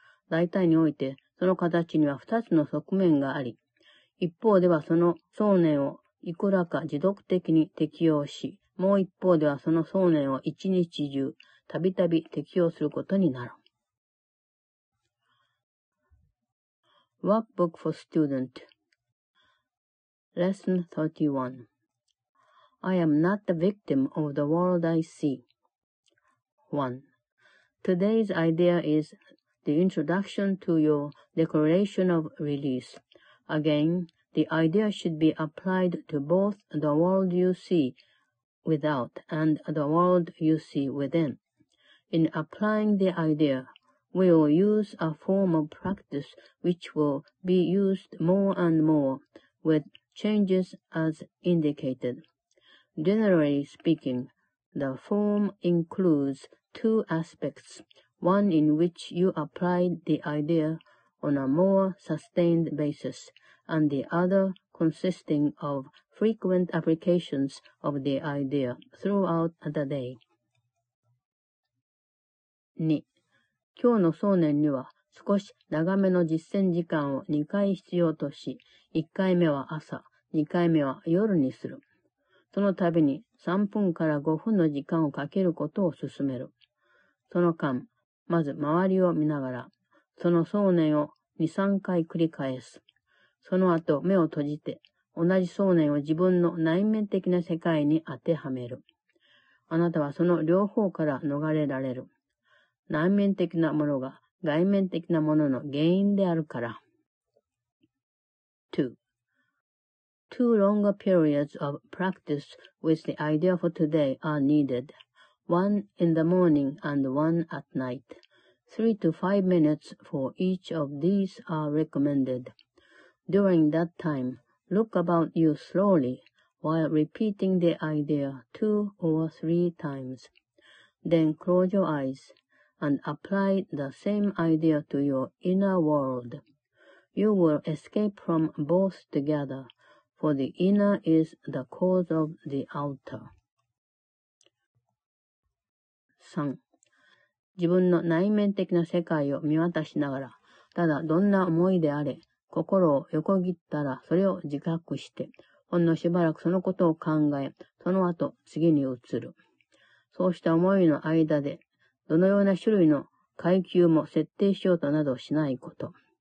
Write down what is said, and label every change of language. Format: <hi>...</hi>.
<ja>大体においてその形には二つの側面があり、一方ではその想念をいくらか持続的に適用し、もう一方ではその想念を一日中たびたび適用することになる。</ja> <en>Workbook for Student Lesson 31 I am not the victim of the world I see. 1. Today's idea is the introduction to your declaration of release. Again, the idea should be applied to both the world you see without and the world you see within. In applying the idea,We will use a form of practice which will be used more and more with changes as indicated. Generally speaking, the form includes two aspects, one in which you apply the idea on a more sustained basis, and the other consisting of frequent applications of the idea throughout the day.</en> <ja>2今日の想念には少し長めの実践時間を2回必要とし、1回目は朝、2回目は夜にする。その度に3分から5分の時間をかけることを勧める。その間、まず周りを見ながら、その想念を2、3回繰り返す。その後目を閉じて、同じ想念を自分の内面的な世界に当てはめる。あなたはその両方から逃れられる。内面的なものが外面的なものの原因であるから。 2.</ja> <en>Two longer periods of practice with the idea for today are needed. One in the morning and one at night. 3 to 5 minutes for each of these are recommended. During that time, look about you slowly while repeating the idea 2 or 3 times. Then close your eyes. And apply the same idea to your inner world. You will escape from both together, for the inner is the cause of the outer. 3.</en> <ja>自分の内面的な世界を見渡しながら、ただどんな思いであれ、心を横切ったらそれを自覚して、ほんのしばらくそのことを考え、その後次に移る。そうした思いの間で、どのような種類の階級も設定しようとなどしないこと。</ja>